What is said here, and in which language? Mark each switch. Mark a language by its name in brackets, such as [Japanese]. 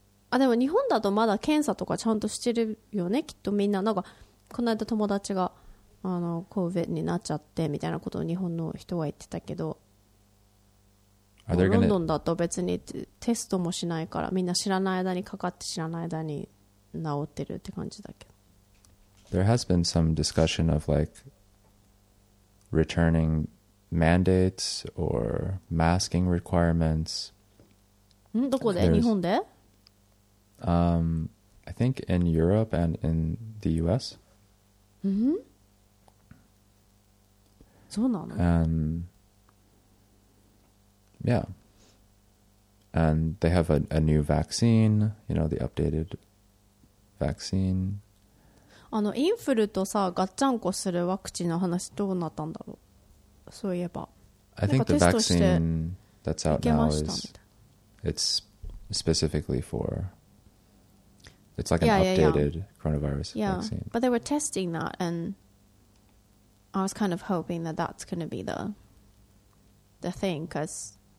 [Japanese] あでも日本だとまだ検査とかちゃんとしてるよねきっとみんななんかこの間友達があの COVID になっちゃってみたいなことを日本の人は言ってたけどロンドンだと別にテストもしないからみんな知らない間にかかって知らない間に治ってるって感じだけど [English] There has been some discussion of like returning mandates or masking requirements [Japanese] んどこで日本で [English] I think in Europe and in the US [Japanese] んそうなの [English] Yeah. And they have a new vaccine, you know, the updated vaccine. [Japanese] あの、インフルとさ、ガッチャンコするワクチンの話どうなったんだろう? そういえば。 [English] I think the vaccine that's out now is, it's specifically for, it's like an updated coronavirus vaccine. But they were testing that and I was kind of hoping that that's going to be the thing because...